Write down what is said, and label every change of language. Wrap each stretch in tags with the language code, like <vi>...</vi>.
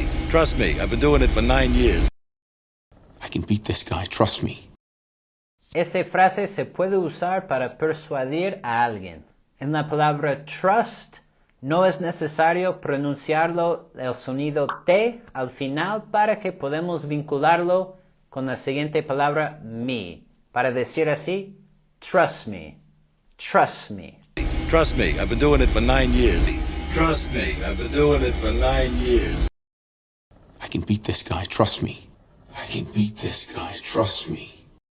<en>Trust me, I've been doing it for 9 years. I can beat this guy, trust me.</en> <es>Esta frase se puede usar para persuadir a alguien. En la palabra trust, no es necesario pronunciarlo el sonido T al final para que podamos vincularlo con la siguiente palabra me. Para decir así,</es> <en>trust me, trust me. Trust me, I've been doing it for 9 years. Trust me, I've been doing it for 9 years. I can beat this guy, trust me. I can beat this guy, trust me.</en>